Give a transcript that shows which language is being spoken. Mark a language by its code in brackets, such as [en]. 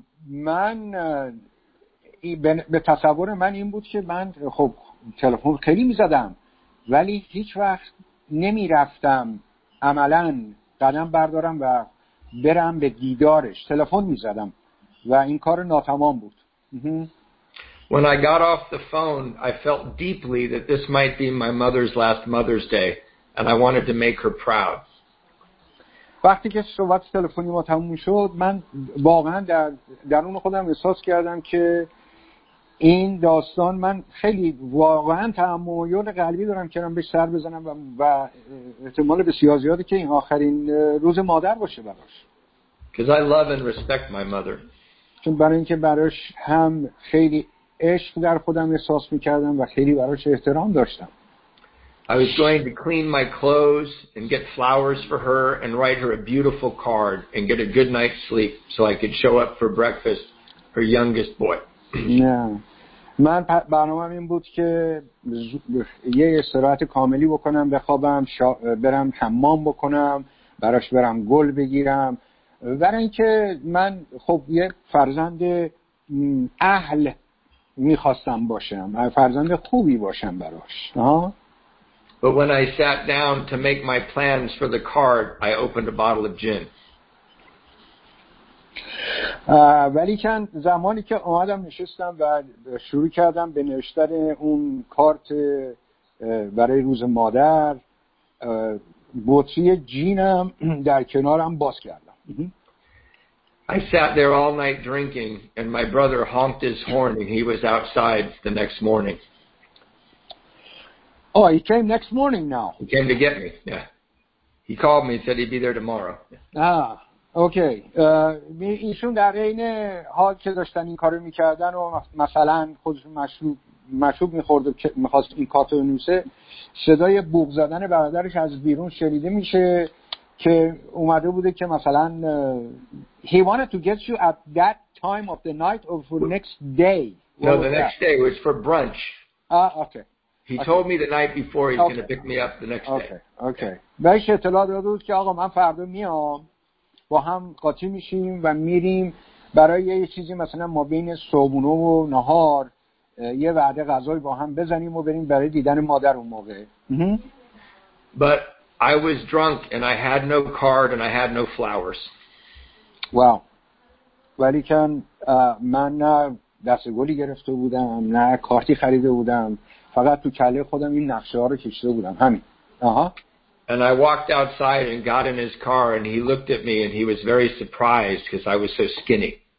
[fa] من به تصور من این بود که من خب تلفن خیلی میزدم ولی هیچ وقت نمی رفتم عملاً قدم بردارم و برم به دیدارش. تلفن می زدم و این کار ناتمام بود. [en] When I got off the phone, I felt deeply that this might be my mother's last Mother's Day and I wanted to make her proud. [fa] وقتی که صحبت تلفنی ما تموم شد من واقعاً در درون خودم احساس کردم که این داستان من خیلی واقعا تمایل قلبی دارم که من بهش سر بزنم و احتمال بسیار زیاده که این آخرین روز مادر باشه براش. [en] Because I love and respect my mother. [fa] چون برای اینکه براش هم خیلی عشق در خودم احساس می‌کردم و خیلی براش احترام داشتم. [en] I was going to clean my clothes and get flowers for her and write her a beautiful card and get a good night's sleep so I could show up for breakfast her youngest boy. [fa] نه من برنامه‌ام این بود که یه استراحت کاملی بکنم بخوابم برم حمام بکنم براش برم گل بگیرم برای اینکه من خب یه فرزند اهل می‌خواستم باشم فرزند خوبی باشم براش [en] But when I sat down to make my plans for the card I opened a bottle of gin [fa] ولی چند زمانی که اومدم نشستم و شروع کردم به نوشتن اون کارت برای روز مادر بطری جینم در کنارم باز کردم [en] I sat there all night drinking and my brother honked his horn and he was outside the next morning Oh, he came next morning now He came to get me, yeah He called me and said he'd be there tomorrow [fa] اوکی ایشون در عین حال که داشتن این کارو میکردن و مثلا خودشون مشروب میخورد و میخواست این کارت رو نوسه صدای بوق زدن برادرش از بیرون شنیده میشه که اومده بوده که مثلا [en] He wanted to get you at that time of the night or for next day No, the next day was for brunch Okay He told me the night before he's going to pick me up the next day [fa] Okay بهش اطلاع داده بود که آقا من فردا میام با هم قاطی میشیم و میریم برای یه چیزی مثلا ما بین صبحونه و نهار یه وعده غذای با هم بزنیم و بریم برای دیدن مادر اون موقع [en] But I was drunk and I had no card and I had no flowers [fa] Wow ولیکن من نه دستگلی گرفته بودم نه کارتی خریده بودم فقط تو کله خودم این نقشه ها رو کشیده بودم همین [en] And I walked outside and got in his car and he looked at me and he was very surprised because I was so skinny.